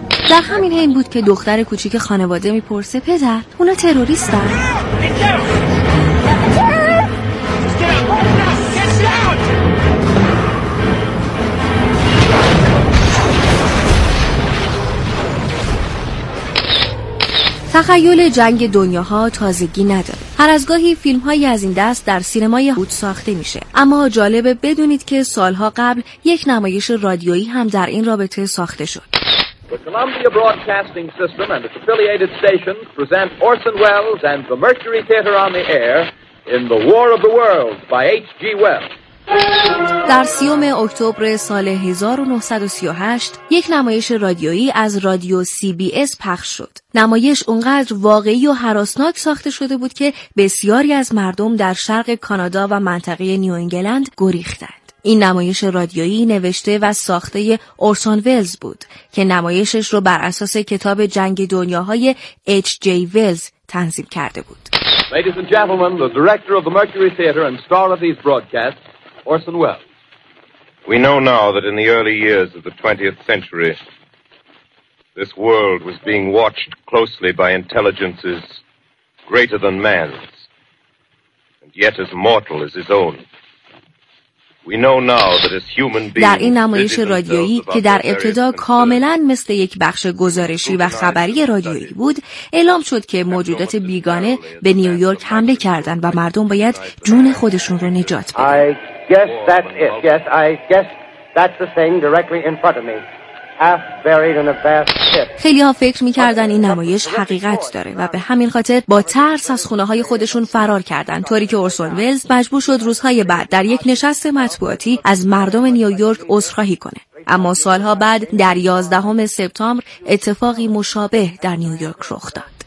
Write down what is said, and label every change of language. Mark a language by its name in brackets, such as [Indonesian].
[Persian] در همین حین بود که دختر کوچیک خانواده می‌پرسه پدر، اونا تروریستن؟ تخیل جنگ دنیاها تازگی نداره. هر از گاهی فیلم‌هایی از این دست در سینمای هالیوود ساخته میشه. اما جالبه بدونید که سالها قبل یک نمایش رادیویی هم در این رابطه ساخته شد. [English] The Columbia Broadcasting System and its affiliated stations present Orson Welles and the Mercury Theater on the air in The War of the Worlds by H.G. Wells. [Persian] در 30 اکتبر سال 1938 یک نمایش رادیویی از رادیو CBS پخش شد. نمایش اونقدر واقعی و هراسناک ساخته شده بود که بسیاری از مردم در شرق کانادا و منطقه نیو انگلند گریختند. این نمایش رادیویی نوشته و ساخته اورسون ویلز بود که نمایشش رو بر اساس کتاب جنگ دنیاهای اچ جی ویلز تنظیم کرده بود. [English] Ladies and gentlemen, the director of the Mercury Theater and star of these broadcasts, Orson Welles. We know now that in the early years of the 20th century, this world was being watched closely by intelligences greater than man's, and yet as mortal as his own. We know now that as human beings, [Persian] در این نمایش رادیویی که در ابتدا کاملا مثل یک بخش گزارشی و خبری رادیویی بود، اعلام شد که موجودات بیگانه به نیویورک حمله کردند و مردم باید جون خودشون رو نجات بدن. [English] Yes, that's it. Yes, I guess that's the thing directly in front of me. Half buried in a vast pit. [Persian] خیلی ها فکر میکردن این نمایش حقیقت داره و به همین خاطر با ترس از خونه های خودشون فرار کردن، طوری که اورسون ویلز مجبور شد روزهای بعد در یک نشست مطبوعاتی از مردم نیویورک عذرخواهی کنه. اما سالها بعد در 11 سپتامبر اتفاقی مشابه در نیویورک رخ داد.